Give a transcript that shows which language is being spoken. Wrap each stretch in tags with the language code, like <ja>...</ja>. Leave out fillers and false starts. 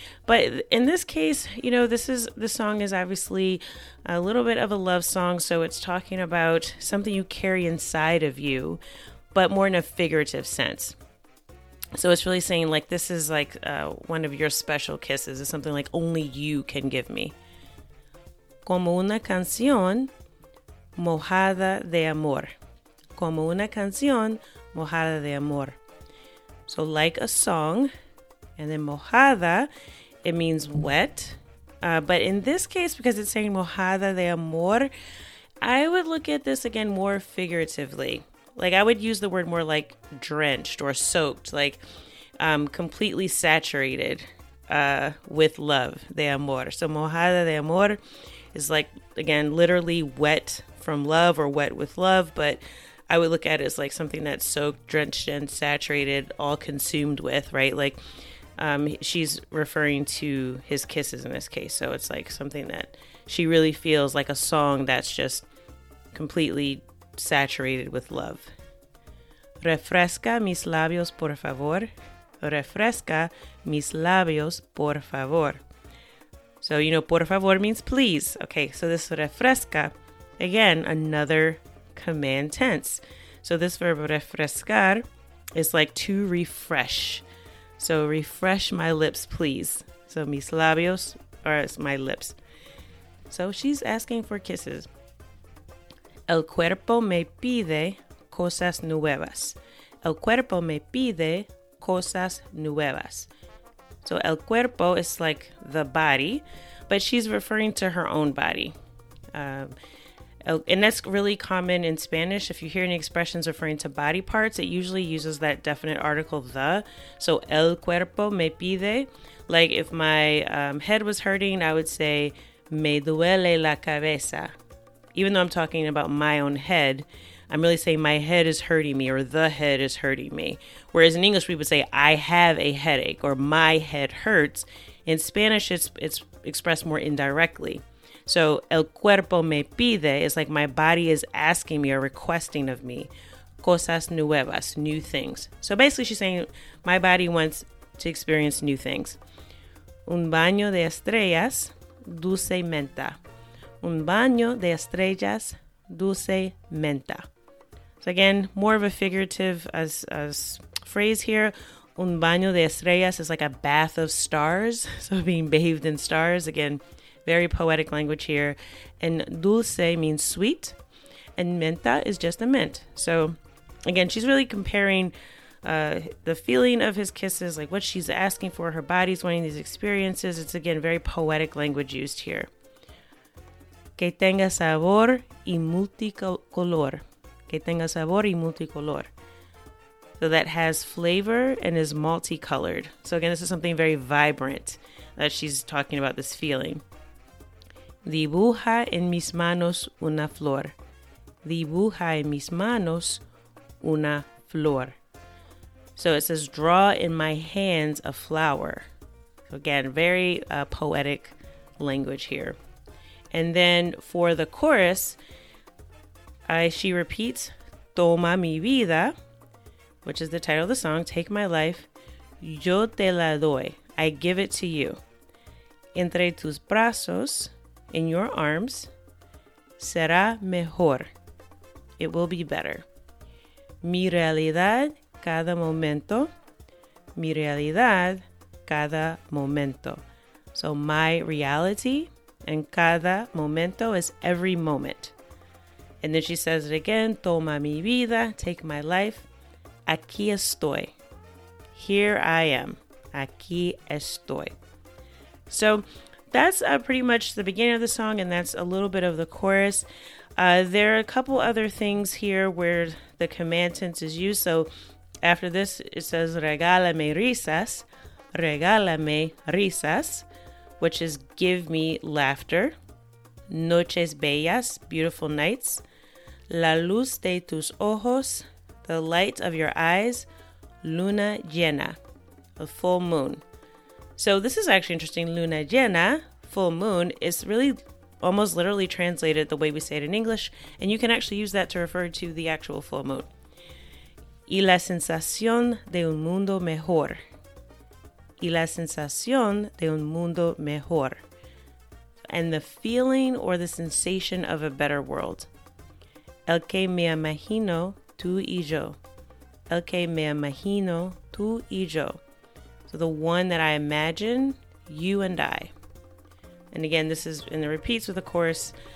<en>But in this case, you know, this song is obviously a little bit of a love song. So it's talking about something you carry inside of you, but more in a figurative sense. So it's really saying like, this is like one of your special kisses. It's something like only you can give me.</en> <es>Como una canción mojada de amor. Como una canción mojada de amor.</es> <en>So like a song, and then mojada, it means wet. But in this case, because it's saying</en> <es>mojada de amor,</es> <en>I would look at this again more figuratively. Like I would use the word more like drenched or soaked, like completely saturated with love,</en> <es>de amor.</es> <en>So</en> <es>mojada de amor</es> <en>is like, again, literally wet from love or wet with love, but I would look at it as like something that's soaked, drenched, and saturated, all consumed with, right? Like she's referring to his kisses in this case. So it's like something that she really feels like a song that's just completely saturated with love.</en> <es>Refresca mis labios, por favor. Refresca mis labios, por favor.</es> <en>So, you know, por favor means please. Okay, so this refresca, again, another command tense. So this verb refrescar is like to refresh. So refresh my lips, please. So</en> <es>mis labios</es> <en>are my lips. So she's asking for kisses.</en> <es>El cuerpo me pide cosas nuevas. El cuerpo me pide cosas nuevas.</es> <en>So</en> <es>el cuerpo</es> <en>is like the body, but she's referring to her own body. And that's really common in Spanish. If you hear any expressions referring to body parts, it usually uses that definite article, the. So,</en> <es>el cuerpo me pide.</es> <en>Like, if my head was hurting, I would say,</en> <es>me duele la cabeza.</es> <en>Even though I'm talking about my own head, I'm really saying my head is hurting me, or the head is hurting me. Whereas in English, we would say, I have a headache, or my head hurts. In Spanish, it's expressed more indirectly. So</en> <es>el cuerpo me pide</es> <en>is like my body is asking me or requesting of me</en> <es>cosas nuevas,</es> <en>new things. So basically she's saying my body wants to experience new things.</en> <es>Un baño de estrellas, dulce menta. Un baño de estrellas, dulce menta.</es> <en>So again, more of a figurative as phrase here.</en> <es>Un baño de estrellas</es> <en>is like a bath of stars. So being bathed in stars. Again, very poetic language here. And dulce means sweet. And menta is just a mint. So again, she's really comparing the feeling of his kisses, like what she's asking for, her body's wanting these experiences. It's again, very poetic language used here.</en> <es>Que tenga sabor y multicolor. Que tenga sabor y multicolor.</es> <en>So that has flavor and is multicolored. So again, this is something very vibrant that she's talking about this feeling.</en> <es>Dibuja en mis manos una flor. Dibuja en mis manos una flor.</es> <en>So it says, draw in my hands a flower. So again, very poetic language here. And then for the chorus, she repeats,</en> <es>toma mi vida,</es> <en>which is the title of the song, take my life.</en> <es>Yo te la doy,</es> <en>I give it to you.</en> <es>Entre tus brazos,</es> <en>in your arms,</en> <es>será mejor,</es> <en>it will be better.</en> <es>Mi realidad, cada momento. Mi realidad, cada momento.</es> <en>So my reality, and</en> <es>cada momento</es> <en>is every moment. And then she says it again,</en> <es>toma mi vida,</es> <en>take my life.</en> <es>Aquí estoy.</es> <en>Here I am.</en> <es>Aquí estoy.</es> <en>So that's pretty much the beginning of the song, and that's a little bit of the chorus. There are a couple other things here where the command tense is used. So after this, it says,</en> <es>regálame risas. Regálame risas,</es> <en>which is give me laughter.</en> <es>Noches bellas,</es> <en>beautiful nights.</en> <es>La luz de tus ojos,</es> <en>the light of your eyes.</en> <es>Luna llena,</es> <en>a full moon. So this is actually interesting.</en> <es>Luna llena,</es> <en>full moon, is really almost literally translated the way we say it in English. And you can actually use that to refer to the actual full moon.</en> <es>Y la sensación de un mundo mejor. Y la sensación de un mundo mejor.</es> <en>And the feeling or the sensation of a better world.</en> <es>El que me imagino tú y yo. El que me imagino tú y yo.</es> <en>So the one that I imagine, you and I. And again, this is in the repeats of the chorus.</en>